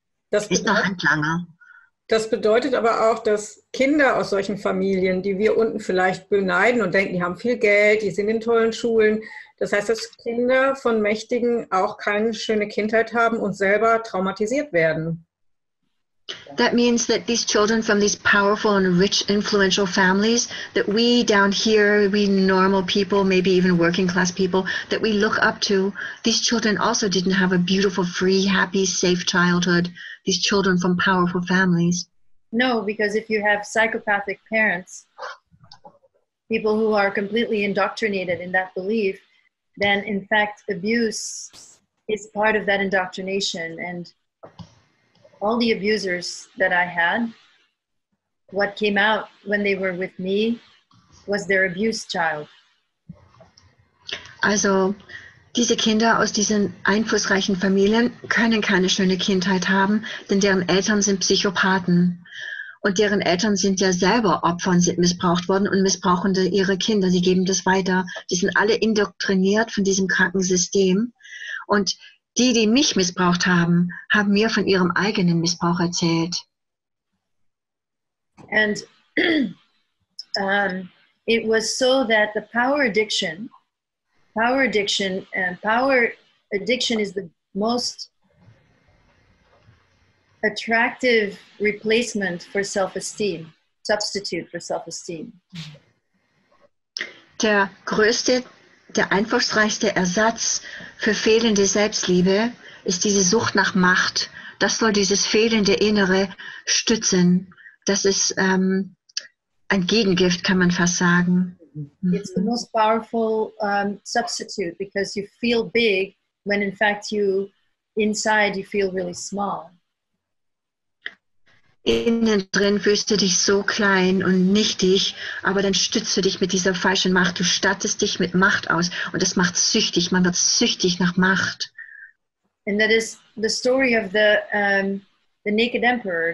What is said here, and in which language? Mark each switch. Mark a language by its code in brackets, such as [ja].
[de] Das bedeutet, ist noch Handlanger. Das bedeutet aber auch, dass Kinder aus solchen Familien, die wir unten vielleicht beneiden und denken, die haben viel Geld, die sind in tollen Schulen. Das heißt, dass Kinder von Mächtigen auch keine schöne Kindheit haben und selber traumatisiert werden. [en] That means that these children from these powerful and rich, influential families, that we down here, we normal people, maybe even working class people, that we look up to, these children also didn't have a beautiful, free, happy, safe childhood, these children from powerful families. No, because if you have psychopathic parents, people who are completely indoctrinated in that belief, then in fact abuse is part of that indoctrination. And all the abusers that I had, what came out when they were with me was their abused child. [de] Also, diese Kinder aus diesen einflussreichen Familien können keine schöne Kindheit haben, denn deren Eltern sind Psychopathen. Und deren Eltern sind ja selber Opfer und sind missbraucht worden und missbrauchen ihre Kinder. Sie geben das weiter. Die sind alle indoktriniert von diesem kranken System. Und die, die mich missbraucht haben, haben mir von ihrem eigenen Missbrauch erzählt. [en] And it was so that the power addiction is the most attractive replacement for self-esteem, substitute for self-esteem. [de] Der einflussreichste Ersatz für fehlende Selbstliebe ist diese Sucht nach Macht. Das soll dieses fehlende Innere stützen. Das ist ein Gegengift, kann man fast sagen. [en] It's the most powerful substitute because you feel big when in fact you inside you feel really small. [de] Innen drin fühlst du dich so klein und nichtig, aber dann stützt du dich mit dieser falschen Macht. Du stattest dich mit Macht aus und das macht süchtig. Man wird süchtig nach Macht. [en] And that is the story of the naked emperor.